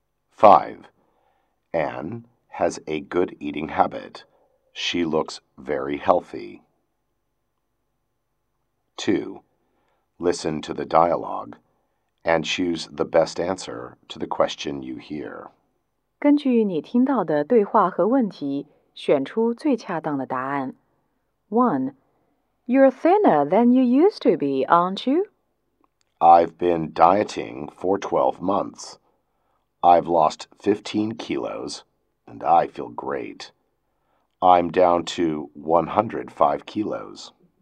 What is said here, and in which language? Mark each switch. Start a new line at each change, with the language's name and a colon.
English: 5. Anne has a good eating habit. She looks very healthy. 2. Listen to the dialogue and choose the best answer to the question you hear.
Chinese: 根据你听到的对话和问题，选出最恰当的答案。
English: 1. You're thinner than you used to be, aren't you? I've been dieting for 12 months. I've lost 15 kilos, and I feel great. I'm down to 105 kilos.